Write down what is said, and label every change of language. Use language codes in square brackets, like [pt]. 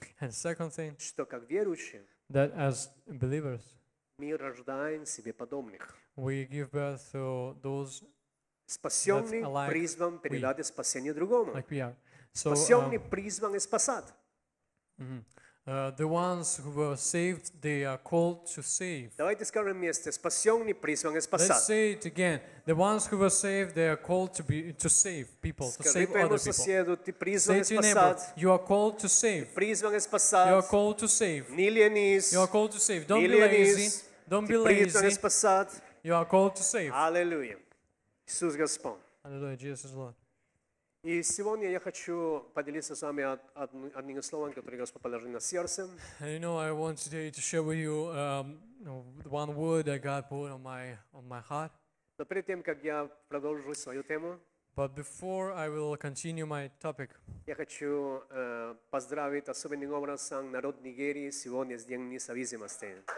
[en] And second thing. [uk] Що як віруючі. [en] That as believers. [uk] Ми рождаємо собі подобних. [en] We give birth to those. [uk] Спасенні призвані передати спасіння другому. [en] Like we are. So, [uk] спасенні призвані спасати. Mm-hmm. [en] The ones who were saved, they are called to save. [uk] Давайте скажемо вместе: спасенні призвані спасати. [en] Let's say it again. The ones who were saved, they are called to be to save people, to [uk] Скажи [en] save other people. [uk] Скажи твоєму сусіду, ти призваний спасати. [en] Say to your neighbor, you are called to save. [uk] Призваний спасати. [en] You are called to save. [uk] Не лінись. [en] You are called to save. Don't be lazy. Don't be lazy. [uk] Ти призваний спасати. [en] You are called to save. [uk] Алілуя. Ісус Господь. [en] Алілуя, Jesus Lord. [uk] І сьогодні я хочу поділитися з вами одним словом, яке Господь положив на серце. [en] And you know, I want today to share with you one word that God put on my heart. [uk] Но перед тим, як я продовжу свою тему, [en] but before I will continue my topic, [uk] я хочу поздравити особливим образом народ Нігерії сьогодні з Днем Независимости.